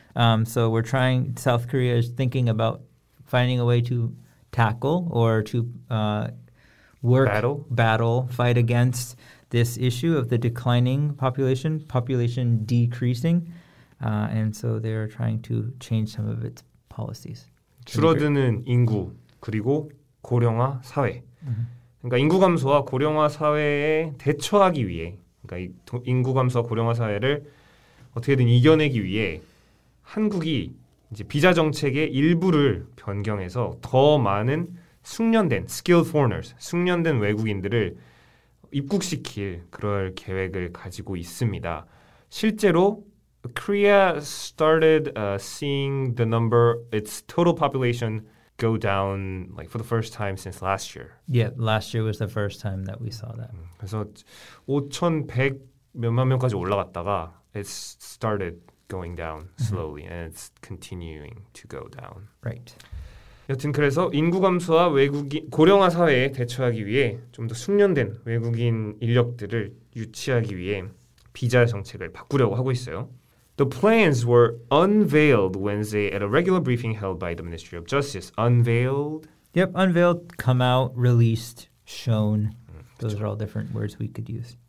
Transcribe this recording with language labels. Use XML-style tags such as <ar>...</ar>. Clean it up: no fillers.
<en>So we're trying, South Korea is thinking about finding a way to tackle or to fight against this issue of the declining population, population decreasing. And so they're trying to change some of its policies.</en> <ko>줄어드는 인구, 그리고 고령화 사회. Mm-hmm. 그러니까 인구 감소와 고령화 사회에 대처하기 위해, 그러니까 이 인구 감소와 고령화 사회를 어떻게든 이겨내기 위해 한국이 이제 비자 정책의 일부를 변경해서 더 많은 숙련된</ko> <en>skilled foreigners,</en> <ko>숙련된 외국인들을 입국시킬 그럴 계획을 가지고 있습니다. 실제로</ko> <en>Korea started seeing the number its total population go down like for the first time since last year. Yeah, last year was the first time that we saw that.</en> <ko>그래서 5,100 몇만 명까지 올라갔다가</ko> <en>it started going down slowly and it's continuing to go down. Right.</en> <ko>여튼 그래서 인구 감소와 외국인 고령화 사회에 대처하기 위해 좀 더 숙련된 외국인 인력들을 유치하기 위해 비자 정책을 바꾸려고 하고 있어요.</ko> <en>The plans were unveiled Wednesday at a regular briefing held by the Ministry of Justice. Unveiled? Yep, unveiled, come out, released, shown. Those are all different words we could use.</en>